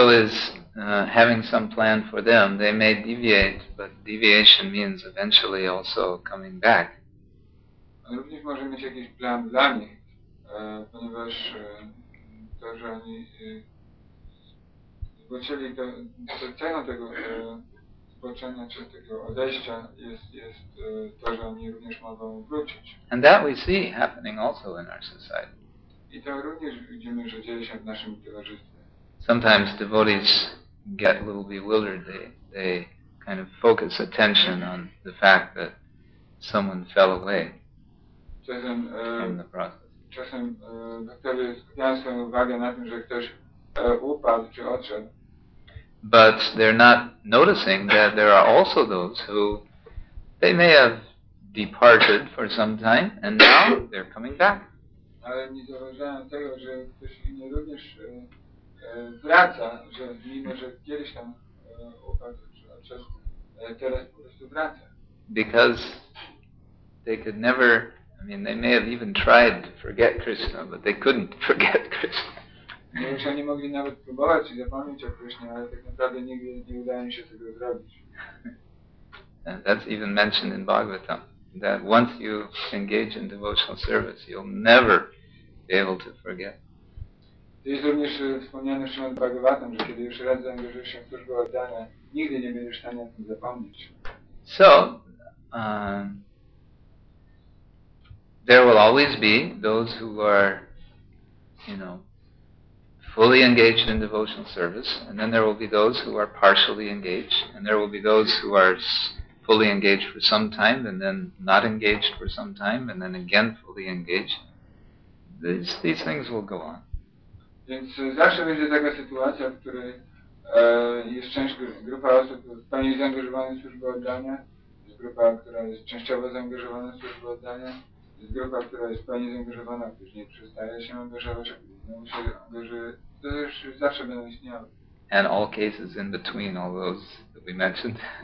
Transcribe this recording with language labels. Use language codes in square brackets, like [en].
[en] He also is having some plan for them. They may deviate, but deviation means eventually also coming back. [pl] On również może mieć jakiś plan dla nich, ponieważ to, że oni zboczyli, to cena tego zboczenia czy tego odejścia jest to, że oni również mogą wrócić. [en] And that we see happening also in our society. [pl] I to również widzimy, że dzieje się w naszym towarzystwie. [en] Sometimes devotees get a little bewildered. They kind of focus attention on the fact that someone fell away from the process. [pl] Czasem doktorzy skupiają swoją uwagę na tym, że ktoś upadł czy odszedł. [en] But they're not noticing that there are also those who they may have departed for some time and now they're coming back. [pl] Ale nie zauważają tego, że ktoś inny również wraca, że mimo, że kiedyś tam upadł, czy teraz po prostu wraca. [en] Because they could never, I mean, they may have even tried to forget Krishna, but they couldn't forget Krishna. [pl] Już oni mogli nawet próbować i zapomnieć o Krishna, ale tak naprawdę nigdy nie udało im się tego zrobić. [en] And that's even mentioned in Bhagavatam, that once you engage in devotional service, you'll never be able to forget. [pl] To jest również wspomniane w Śrimad Bhagavatam, że kiedy już raz zaangażujesz się w służbę oddania, nigdy nie będziesz w stanie o tym zapomnieć. [en] So, there will always be those who are, you know, fully engaged in devotional service, and then there will be those who are partially engaged, and there will be those who are fully engaged for some time, and then not engaged for some time, and then again fully engaged. These things will go on. [pl] Więc zawsze będzie taka sytuacja, w której jest część grupa osób w pełni zaangażowana w służbę oddania, jest grupa, która jest częściowo zaangażowana w służbę oddania, jest grupa, która jest w pełni zaangażowana, później przestaje się angażować, a później się angażuje. To już zawsze będą istniały. [en] And all cases in between all those that we mentioned.